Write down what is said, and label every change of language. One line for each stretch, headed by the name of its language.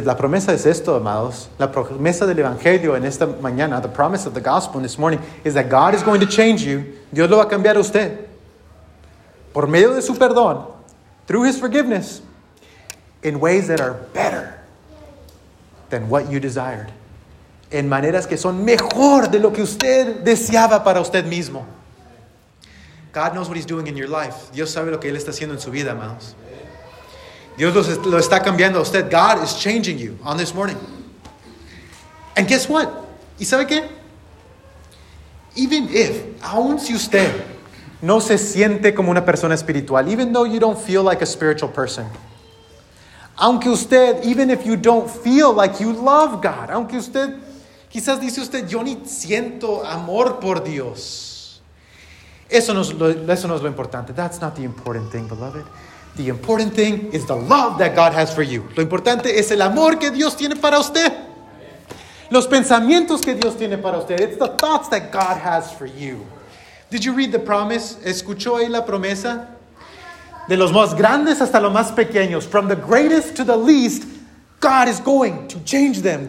Spanish: La promesa es esto, amados. La promesa del Evangelio en esta mañana,
English: the promise of the gospel in this morning, is that God is going to change you.
Spanish: Dios lo va a cambiar a usted. Por medio de su perdón,
English: through his forgiveness, in ways that are better than what you desired.
Spanish: En maneras que son mejor de lo que usted deseaba para usted mismo.
English: God knows what he's doing in your life.
Spanish: Dios sabe lo que él está haciendo en su vida, amados. Dios lo está cambiando a usted.
English: God is changing you on this morning. And guess what?
Spanish: ¿Y sabe qué?
English: Even if,
Spanish: aun si usted no se siente como una persona espiritual,
English: even though you don't feel like a spiritual person,
Spanish: aunque usted,
English: even if you don't feel like you love God,
Spanish: aunque usted, quizás dice usted, yo ni siento amor por Dios. Eso no es lo importante.
English: That's not the important thing, beloved. The important thing is the love that God has for you.
Spanish: Lo importante es el amor que Dios tiene para usted. Los pensamientos que Dios tiene para usted.
English: It's the thoughts that God has for you. Did you read the promise?
Spanish: ¿Escuchó ahí la promesa? De los más grandes hasta los más pequeños.
English: From the greatest to the least, God is going to change them.